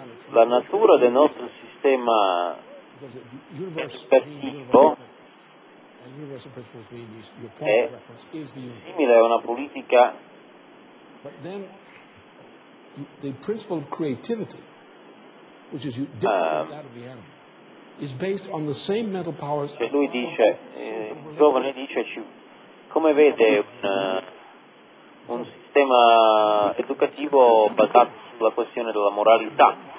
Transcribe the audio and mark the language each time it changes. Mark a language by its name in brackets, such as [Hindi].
[Italian] La natura del nostro sistema espressivo è simile a una politica. [English] The principle of creativity, which is different than that of the animal, is based on the same [Italian] lui dice, il giovane dice, come vede un sistema educativo basato sulla questione della moralità?